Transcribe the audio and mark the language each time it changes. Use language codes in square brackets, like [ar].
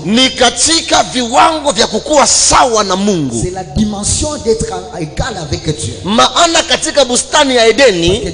[sw] ni katika viwango vya kukua sawa na Mungu. [fr] C'est la dimension d'être égal avec Dieu. [sw] Maana katika bustani ya Edeni,